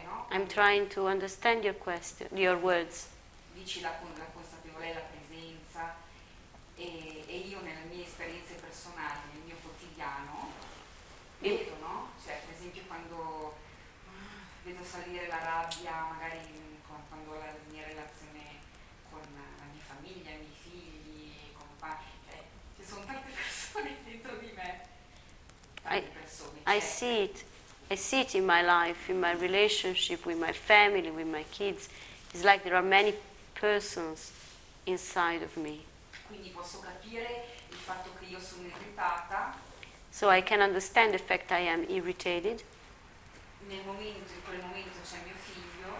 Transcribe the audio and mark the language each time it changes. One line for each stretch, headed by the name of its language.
English: I'm trying to understand your question, your words.
Italian: Dici la consapevolezza, la presenza, e io nelle mie esperienze personali, nel mio quotidiano, vedo, no? Cioè, per esempio, quando vedo salire la rabbia, magari quando ho la mia relazione con la mia famiglia, i miei figli, ci sono tante persone dentro di me.
English: I see it. I see it in my life, in my relationship with my family, with my kids. It's like there are many persons inside of me.
Italian: Quindi posso capire il fatto che io sono irritata.
English: So I can understand the fact I am irritated.
Italian: Nel momento, in quel momento c'è mio figlio.